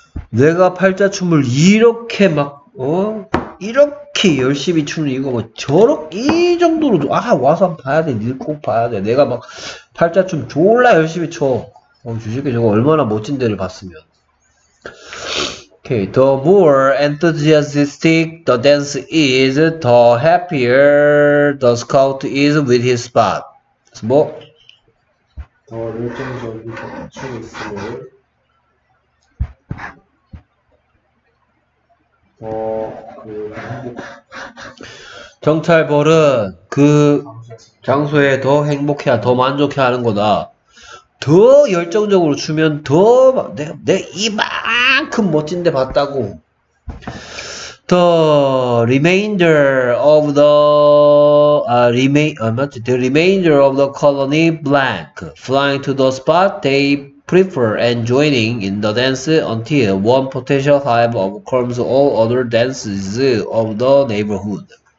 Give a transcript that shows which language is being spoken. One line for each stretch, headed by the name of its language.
Korean: 내가 팔자춤을 이렇게 막, 어? 이렇게 열심히 추는 이거 뭐 저렇게 이 정도로, 아, 와서 봐야 돼. 니들 꼭 봐야 돼. 내가 막 팔자춤 졸라 열심히 춰. 어, 주식에 저거 얼마나 멋진 데를 봤으면.
English: Okay, the more enthusiastic the dance is, the happier the scout is with his spot.
Korean: 뭐? 더 열정적이고 춤이 있으면, 더 정찰벌은 그 장소에 더 행복해야, 더 만족해 하는 거다. 더 열정적으로 추면 더 내 이만큼 멋진데 봤다고.
English: The remainder of the the remainder of the colony blank flying to the spot they prefer and joining in the dance until one potential hive overcomes all other dances of the neighborhood.